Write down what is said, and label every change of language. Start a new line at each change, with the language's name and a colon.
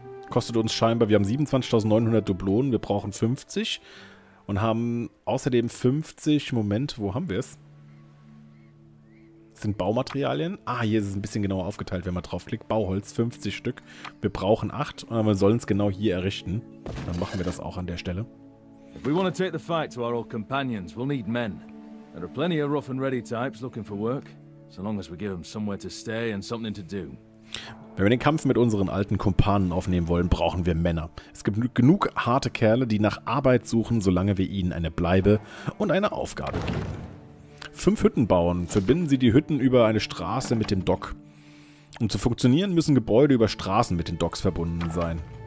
German: Kostet uns scheinbar, wir haben 27.900 Dublonen, wir brauchen 50. Und haben außerdem 50... Moment, wo haben wir es? Sind Baumaterialien? Ah, hier ist es ein bisschen genauer aufgeteilt, wenn man draufklickt. Bauholz, 50 Stück. Wir brauchen 8 und wir sollen es genau hier errichten. Dann machen wir das auch an der Stelle.
English: If we want to take the fight to our old companions, we'll need men. There are plenty of rough and ready types looking for work, so long as we give them somewhere to stay and something to do.
German: Wenn wir den Kampf mit unseren alten Kumpanen aufnehmen wollen, brauchen wir Männer. Es gibt genug harte Kerle, die nach Arbeit suchen, solange wir ihnen eine Bleibe und eine Aufgabe geben. 5 Hütten bauen. Verbinden Sie die Hütten über eine Straße mit dem Dock. Um zu funktionieren, müssen Gebäude über Straßen mit den Docks verbunden sein.